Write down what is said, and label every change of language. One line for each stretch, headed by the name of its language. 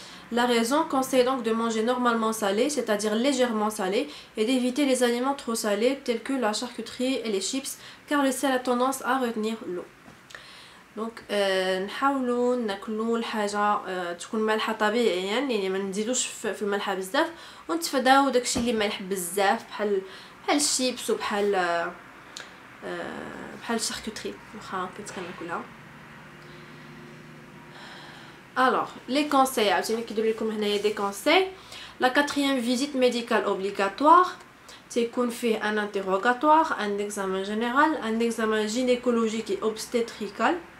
French: La raison conseille donc de manger normalement salé, c'est-à-dire légèrement salé, et d'éviter les aliments trop salés tels que la charcuterie et les chips, car le sel a tendance à retenir l'eau.
Arabic: Donc, نحاولوا ناكلوا الحاجة تكون مالحة طبيعيا يعني ما نزيدوش في الملح بزاف ونتفاداو داكشي اللي مالح بزاف بحال الشيبس وبحال بحال الشاركوتري واخا كنت كناكلها.
French: Alors, les conseils, je vais vous donner des conseils. La quatrième visite médicale obligatoire, c'est qu'on fait un interrogatoire, un examen général, un examen gynécologique et obstétrical.